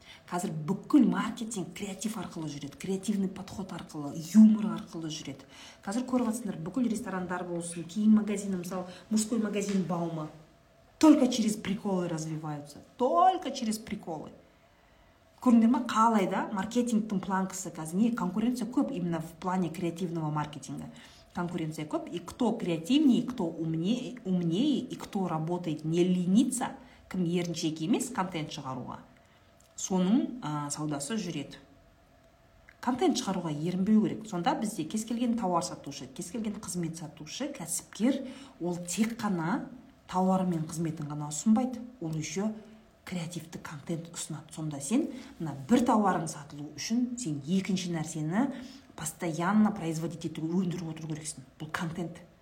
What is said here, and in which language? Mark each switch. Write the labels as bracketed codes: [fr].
[kk] Қазір бүкіл маркетинг креатив арқылы жүреді, креативный подход арқылы, юмор арқылы жүреді. Қазір көріп отырсыңдар, бүкіл ресторандар болсын, киім магазині, мысалы, мужской магазин Баума, [ru] только через приколы развиваются, только через приколы. [kk] Көріндер ма, қалай да, маркетингтің планкасы қазір, не, конкуренция көп [ru] именно в плане креативного маркетинга. Конкуренция көп, и кто креативнее, кто умнее, и кто работает не ленится, [kk] кім ерінжек емес контент шығаруға. Соның саудасы жүреді. Контент шығаруға ерінбеу керек. Сонда бізде кез келген тауар сатушы, кез келген қызмет сатушы, кәсіпкер, ол тек қана тауар мен қызметін ғана ұсынбайды. Ол еще креативті контент ұсынады. Сонда сен мына бір тауарың сатылу үшін сен екінші нәрсені постоянно производить етуге өндіріп отыру керексің. Бұл контент.